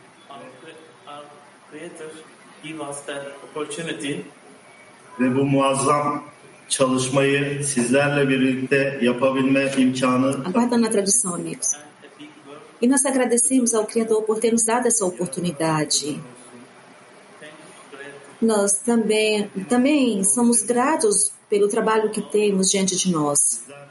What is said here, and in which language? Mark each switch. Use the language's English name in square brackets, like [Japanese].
[English] Our Creator gave us that opportunity. [Turkish] Ve bu muazzam çalışmayı sizlerle birlikte yapabilme imkanı. [Portuguese] Aguarda na tradução, amigos. E nós agradecemos ao Criador por ter nos dado essa oportunidade. Nós também somos gratos pelo trabalho que temos diante de nós.